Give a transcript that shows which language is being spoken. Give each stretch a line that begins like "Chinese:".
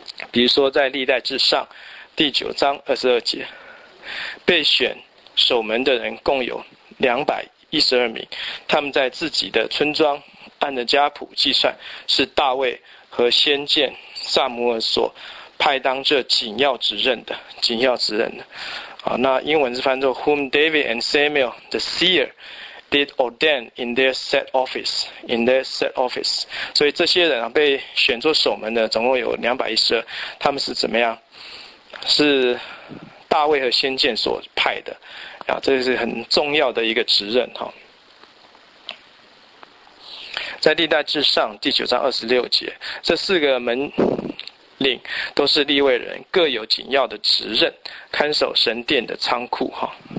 Chinese: 比如说在历代志上第9章22节，被选守门的人共有200 一十二名，他们在自己的村庄按着家谱计算，是大卫和先见撒母耳所派当这紧要职任的，紧要职任的。啊，那英文是翻作
English: whom David and Samuel the seer did ordain in their set office, in their set office。
Chinese: 所以这些人啊，被选作守门的，总共有212，他们是怎么样？是大卫和先见所派的，啊，这是很重要的一个职任哈。在历代志上第9章26节，这四个门领都是利未人，各有紧要的职任，看守神殿的仓库哈。